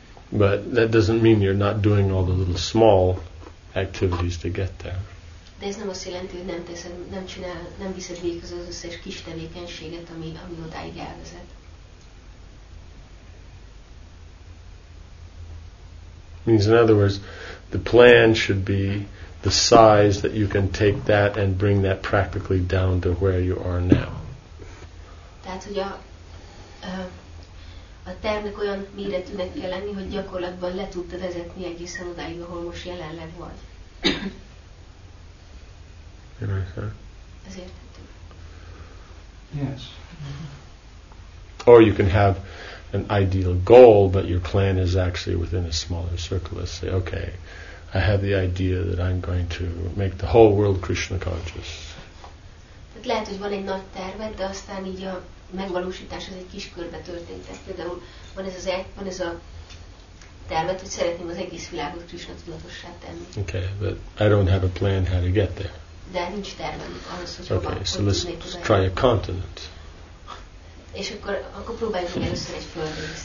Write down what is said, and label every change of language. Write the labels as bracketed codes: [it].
[en] But that doesn't mean you're not doing all the little small activities to get there. [hu] De ez nem azt jelenti, hogy nem teszed, nem csinál, nem viszed végig az összes kis tevékenységet, ami odáig elvezet. [en] Means in other words, the plan should be the size that you can take that and bring that practically down to where you are now. [hu] Tehát, hogy a tervnek olyan méretűnek kell lenni, hogy gyakorlatban le tudtad vezetni egészen odáig, ahol most jelenleg vagy. [en] Can I say? Yes. Or you can have an ideal goal, but your plan is actually within a smaller circle. Let's say, okay, I have the idea that I'm going to make the whole world Krishna conscious. [hu] Tehát lehet, hogy van egy nagy terved, de aztán így a megvalósítás az egy kis körbe történt. Tehát például van ez a tervet, hogy szeretném az egész világot Krishna tudatossá tenni. [en] Okay, but I don't have a plan how to get there. [hu] De nincs tervem ahhoz, hogy [en] okay, so let's try a continent. [hu] És akkor próbáljuk meg először egy földrészt.